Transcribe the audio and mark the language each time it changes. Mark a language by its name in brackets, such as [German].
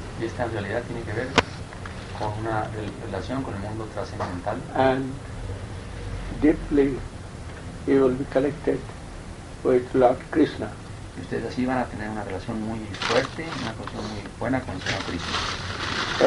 [Spanish] Y esta en realidad tiene que ver con una relación con el mundo trascendental. [English] And deeply you will be connected with Lord Krishna. [Spanish] Y ustedes así van a tener una relación muy fuerte, una relación muy buena con el Señor Krishna.